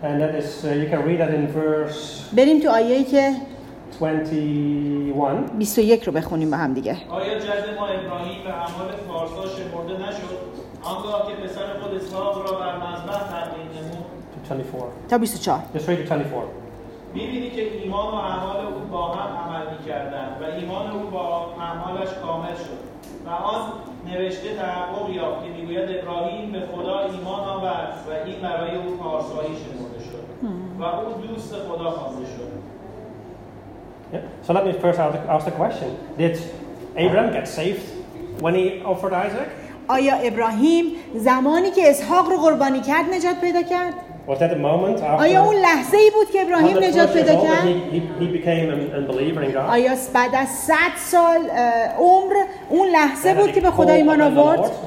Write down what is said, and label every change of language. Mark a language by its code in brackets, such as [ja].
[en] And that is, you can read that in verse. [fa] بریم تو آیه‌ای که 21. 21 رو بخونیم با هم دیگه. آیا جد ما ابراهیم به اعمال فارسا شمرده نشد؟ آنگاه که پسر خود اسحاق را بر مذبح تقدیم نمود. 24. تا 24. [en] Just read the 24. [fa] می‌بینی که ایمان و اعمال او با هم عمل می‌کردند و ایمان او با اعمالش کامل شد. و آن نوشته تحقق یافت که می‌گوید ابراهیم به خدا ایمان آورد و این برای او پارسایی شمرده شد. و او دوست خدا خوانده شد. [en] Yeah. So let me first ask the question. Did Abraham get saved when he offered Isaac? [fa] آیا ابراهیم زمانی که اسحاق رو قربانی کرد نجات پیدا کرد؟ [en] Was that the moment after [fa] آیا اون لحظه ای بود که ابراهیم نجات پیدا کرد؟ [en] he became a believer in God. [fa] آیا بعد از 100 سال عمر اون لحظه بود که به خدا ایمان آورد؟